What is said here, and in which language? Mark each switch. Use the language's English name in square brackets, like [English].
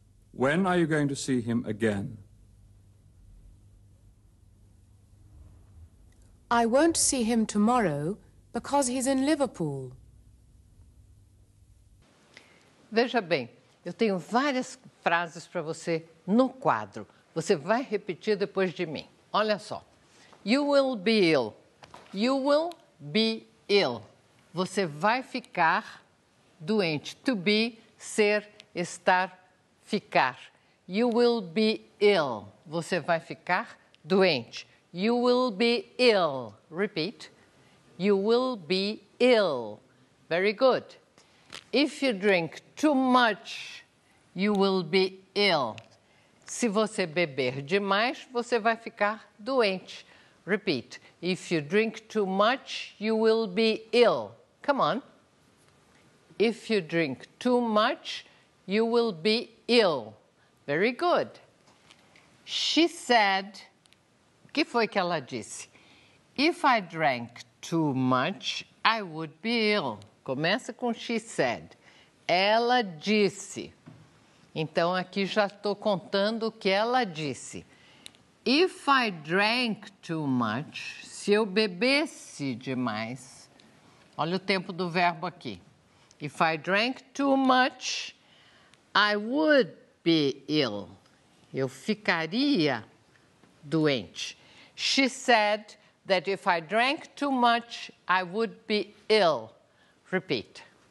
[English] When are you going to see him again? I won't see him tomorrow because he's in Liverpool. [Portuguese] Veja bem, eu tenho várias frases para você no quadro. Você vai repetir depois de mim. Olha só. [English] You will be ill. You will be ill. [Portuguese] Você vai ficar doente. To be, ser, estar, ficar. [English] You will be ill. [Portuguese] Você vai ficar doente. [English] You will be ill. Repeat. You will be ill. Very good. If you drink too much, you will be ill. [Portuguese] Se você beber demais, você vai ficar doente. [English] Repeat. If you drink too much, you will be ill. Come on. If you drink too much, you will be ill. Very good. She said, [Portuguese] o que foi que ela disse? [English] If I drank too much, I would be ill. [Portuguese] Começa com [English] she said. [Portuguese] Ela disse. Então, aqui já estou contando o que ela disse. [English] If I drank too much, [Portuguese] se eu bebesse demais, olha o tempo do verbo aqui. [English] If I drank too much, I would be ill. [Portuguese] Eu ficaria doente. [English] She said that if I drank too much, I would be ill. Repeat.